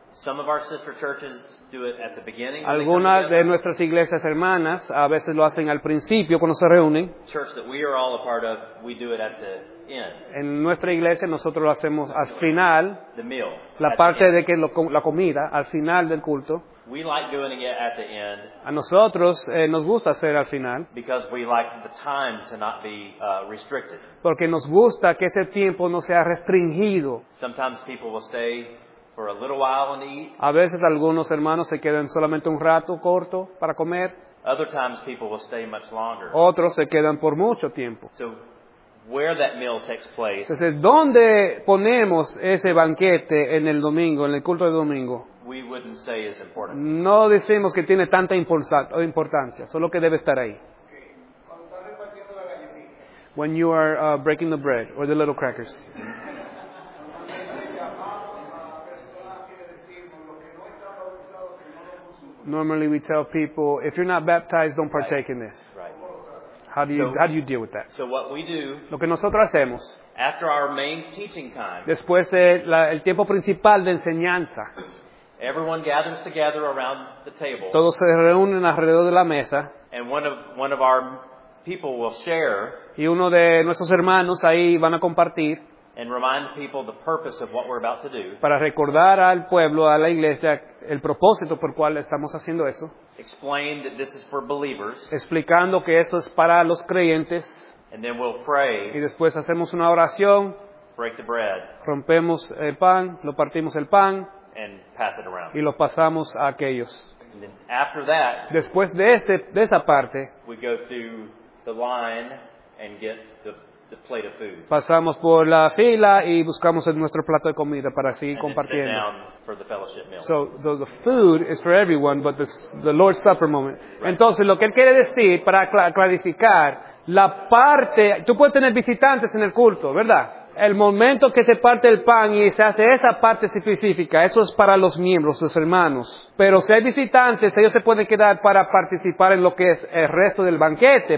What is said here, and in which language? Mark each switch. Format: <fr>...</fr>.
<en>Some of our sister churches do it at the beginning.</en> <es>Algunas de nuestras iglesias hermanas a veces lo hacen al principio cuando se reúnen.</es> <en>Church that we are all a part of, we do it at the end.</en> <es>En nuestra iglesia nosotros lo hacemos al final.</es> <en>The meal.</en> <es>La parte de que la comida al final del culto.</es> <en>We like doing it at the end.</en> <es>A nosotros nos gusta hacer al final.</es> <en>Because we like the time to not be restricted.</en> <es>Porque nos gusta que ese tiempo no sea restringido.</es> <en>Sometimes people will stay for a little while and eat.</en> <es>A veces algunos hermanos se quedan solamente un rato corto para comer.</es> <en>Other times people will stay much longer.</en> <es>Otros se quedan por mucho tiempo.</es> <en>So where that meal takes place.</en> <es>Entonces, ¿dónde ponemos ese banquete en el domingo, en el culto de domingo?</es> <en>We wouldn't say is important.</en> <es>No decimos que tiene tanta importancia, solo que debe estar ahí.</es> <en>When you are breaking the bread or the little crackers. Normally we tell people, if you're not baptized, don't partake right. in this. Right. How do you deal with that? So what we do,</en> <es>lo que nosotros hacemos,</es> <en>after our main teaching time,</en> <es>después de el tiempo principal de enseñanza,</es> <en>everyone gathers together around the table,</en> <es>todos se reúnen alrededor de la mesa,</es> <en>and one of our people will share,</en> <es>y uno de nuestros hermanos ahí van a compartir,</es> <en>and remind people the purpose of what we're about to do.</en> <es>Para recordar al pueblo, a la iglesia, el propósito por cual estamos haciendo eso.</es> <en>Explain that this is for believers.</en> <es>Explicando que esto es para los creyentes.</es> <en>And then we'll pray.</en> <es>Y después hacemos una oración.</es> <en>Break the bread.</en> <es>Rompemos el pan, lo partimos el pan.</es> <en>And pass it around.</en> <es>Y lo pasamos a aquellos.</es> <en>And then after that.</en> <es>Después de esa parte.</es> <en>We go through the line and get the plate of food.</en> <es>Pasamos por la fila y buscamos nuestro plato de comida para seguir compartiendo.</es> <en>So the food is for everyone, but the Lord's Supper moment. Right.</en> <es>Entonces, lo que él quiere decir, para clarificar, la parte, tú puedes tener visitantes en el culto, ¿verdad? El momento que se parte el pan y se hace esa parte específica, eso es para los miembros, los hermanos. Pero si hay visitantes, ellos se pueden quedar para participar en lo que es el resto del banquete.</es>